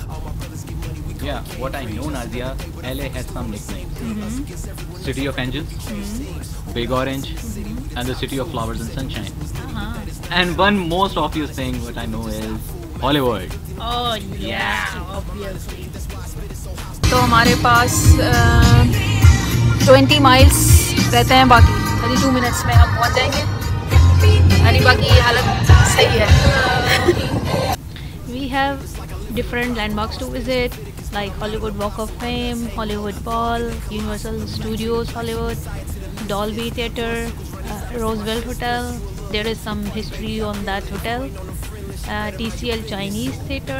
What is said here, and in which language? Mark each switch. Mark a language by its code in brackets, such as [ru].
[en] Wow. Impressive. Yeah, what I know, Nadia, LA has some nicknames. Mm-hmm. City of Angels, mm-hmm. Big Orange, mm-hmm. and the City of Flowers and Sunshine. Uh-huh. And one most obvious thing, what I know, is Hollywood. Oh, yeah, obviously. [hi] So, हमारे पास 20 miles रहते हैं बाकी। अभी 2 minutes में हम पहुंच जाएंगे। अभी बाकी हालत सही है। [en] We have different landmarks to visit. Like Hollywood Walk of Fame, Hollywood Bowl, Universal Studios Hollywood, Dolby Theater, Roosevelt Hotel. There is some history on that hotel. TCL Chinese Theater.